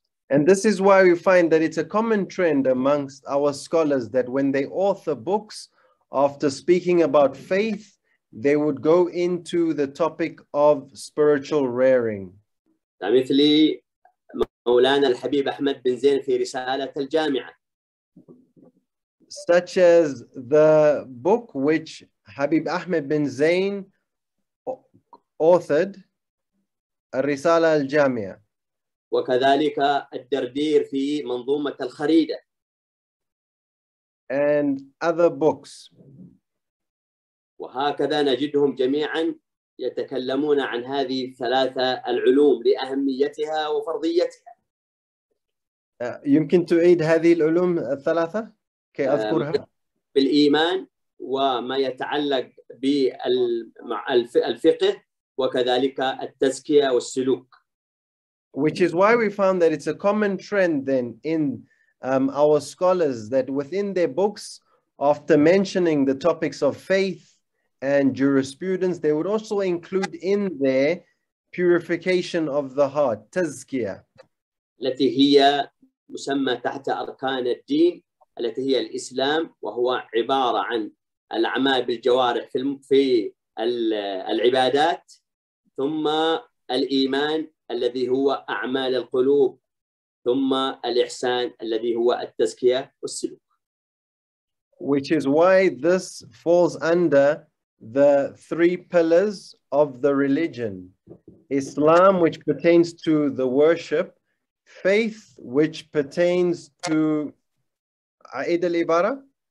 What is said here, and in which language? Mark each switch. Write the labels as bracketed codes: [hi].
[en] And this is why we find that it's a common trend amongst our scholars that when they author books, after speaking about faith, they would go into the topic of spiritual rearing. [ar] مثل مولانا الحبيب أحمد بن زين في رسالة الجامعة. [en] Such as the book which Habib Ahmed bin Zain authored, الرسالة الجامعة. [ar] وكذلك الدردير في منظومة الخريدة. [en] And other books. [ar] وهكذا نجدهم جميعا يتكلمون عن هذه الثلاثة العلوم لأهميتها وفرضيتها. يمكن تعيد هذه العلوم الثلاثة؟ كي أذكرها. بالإيمان وما يتعلق بالفقه وكذلك التزكية والسلوك. [en] Which is why we found that it's a common trend then in our scholars that within their books, after mentioning the topics of faith and jurisprudence, they would also include in there purification of the heart, تزكية. [ar] التي هي مسمى تحت أركان الدين التي هي الإسلام وهو عبارة عن الأعمال بالجوارح في العبادات ثم الإيمان الذي هو أعمال القلوب ثم الإحسان الذي هو التزكية والسلوك. [en] Which is why this falls under the three pillars of the religion. Islam, which pertains to the worship. Faith, which pertains to [ar] عيد العبارة.